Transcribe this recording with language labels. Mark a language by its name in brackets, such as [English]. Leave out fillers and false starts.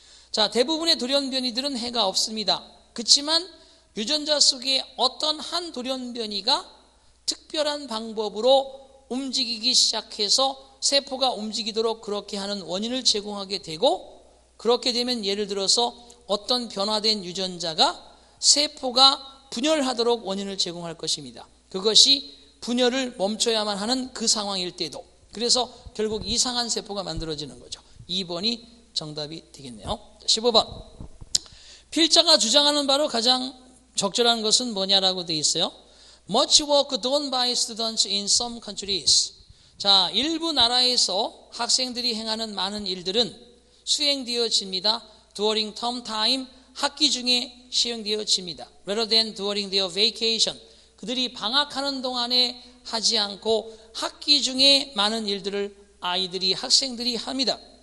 [Korean] 자, 대부분의 돌연변이들은 해가 없습니다. 그렇지만 유전자 속에 어떤 한 돌연변이가 특별한 방법으로 움직이기 시작해서 세포가 움직이도록 그렇게 하는 원인을 제공하게 되고, 그렇게 되면 예를 들어서 어떤 변화된 유전자가 세포가 분열하도록 원인을 제공할 것입니다. 그것이 분열을 멈춰야만 하는 그 상황일 때도. 그래서 결국 이상한 세포가 만들어지는 거죠. 2번이 정답이 되겠네요. 15번. 필자가 주장하는 바로 가장 적절한 것은 뭐냐라고 되어 있어요. [English] Much work done by students in some countries. [Korean] 자, 일부 나라에서 학생들이 행하는 많은 일들은 수행되어집니다. [English] During term time, [Korean] 학기 중에 시행되어집니다. [English] Rather than during their vacation, [Korean] 그들이 방학하는 동안에 하지 않고 학기 중에 많은 일들을 아이들이, 학생들이 합니다.